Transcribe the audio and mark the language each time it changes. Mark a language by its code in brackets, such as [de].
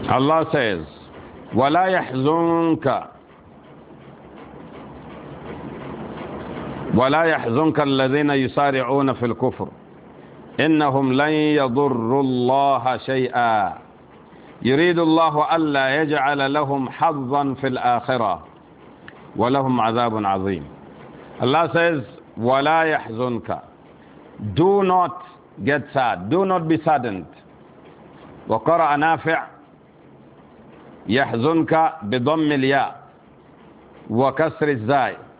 [ar] الله says, وَلَا يَحْزُنْكَ وَلَا يَحْزُنْكَ الَّذِينَ يُسَارِعُونَ فِي الْكُفْرِ إنهم لن يضروا الله شيئا يريد الله ألا يجعل لهم حظا في الآخرة ولهم عذاب عظيم. [en] Allah says, [ar] ولا يحزنك. [en] Do not get sad. Do not be saddened. [ar] وقرأ نافع يحزنك بضم الياء وكسر الزاي.